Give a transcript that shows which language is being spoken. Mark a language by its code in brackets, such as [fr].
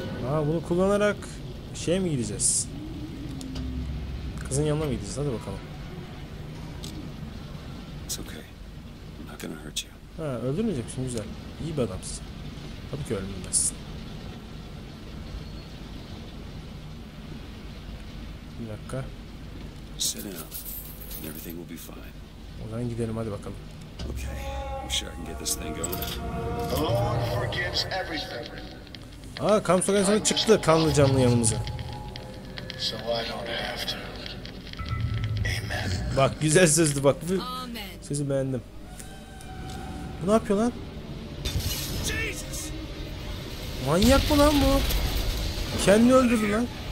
[tr] Aa, bunu kullanarak şeye mi gideceğiz? Kızın yanına mı gideceğiz? Hadi bakalım. [en] It's okay. I'm not gonna hurt you. [tr] Ha, öldürmeyeceksin, güzel. İyi bir adamsın. Tabii ki ölmemezsin. Bir dakika. [en] Sit down. Everything will be fine. [tr] O zaman gidelim, hadi bakalım. [en] Okay. I'm sure I can get this thing going. The Lord forgives everything. [tr] Aa, Kamsok insanı çıktı kanlı canlı yanımıza. [en] So I don't have to. Amen. [tr] Bak, güzel sözdü bak. Amen. Sözü beğendim. Bu ne yapıyor lan? Jesus. Manyak mı lan bu? Kendini öldürdü lan.